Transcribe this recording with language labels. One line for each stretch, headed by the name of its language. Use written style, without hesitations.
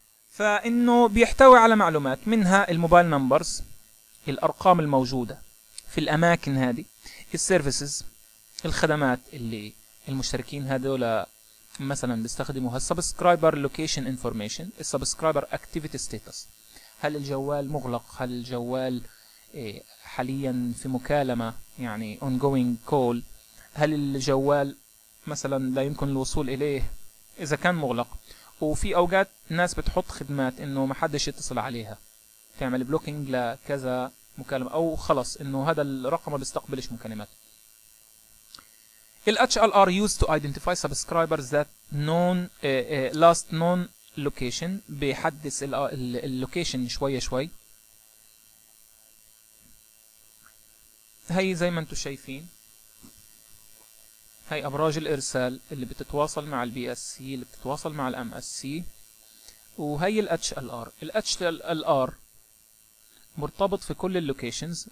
Arabic: فإنه بيحتوي على معلومات، منها الموبايل نمبرز، الأرقام الموجودة في الأماكن هذه، السيرفيسز، الخدمات اللي المشتركين هذول مثلا بيستخدموها، السبسكرايبر لوكيشن انفورميشن، السبسكرايبر اكتيفيتي ستيتس، هل الجوال مغلق، هل الجوال حاليا في مكالمة يعني ongoing call، هل الجوال مثلا لا يمكن الوصول إليه إذا كان مغلق. وفي أوقات ناس بتحط خدمات إنه ما حدش يتصل عليها، تعمل بلوكينج لكذا مكالمة، أو خلص إنه هذا الرقم ما بيستقبلش مكالمات.
English: ال HLR used to identify subscribers that known last known location،
Arabic: بيحدث اللوكيشن شوية شوي. هاي زي ما انتو شايفين، هاي أبراج الإرسال اللي بتتواصل مع البي اس سي، اللي بتتواصل مع الام اس سي، وهي ال HLR. ال HLR مرتبط في كل اللوكيشنز.